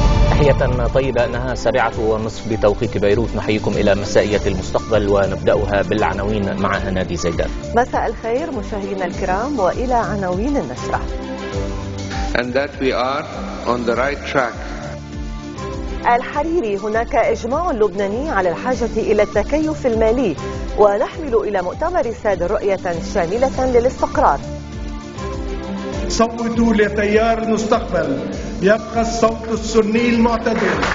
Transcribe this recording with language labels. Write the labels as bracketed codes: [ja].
[ar] تحية طيبة، انها 7:30 بتوقيت بيروت. نحييكم الى مسائية المستقبل ونبدأها بالعناوين مع هنادي زيدان. مساء الخير مشاهدينا الكرام، والى عناوين النشرة. [en] And that we are on the right track. [ar] الحريري: هناك اجماع لبناني على الحاجة الى التكيف المالي، ونحمل الى مؤتمر الساد رؤية شاملة للاستقرار. صوتوا لتيار المستقبل، يبقى الصوت السني المعتدل.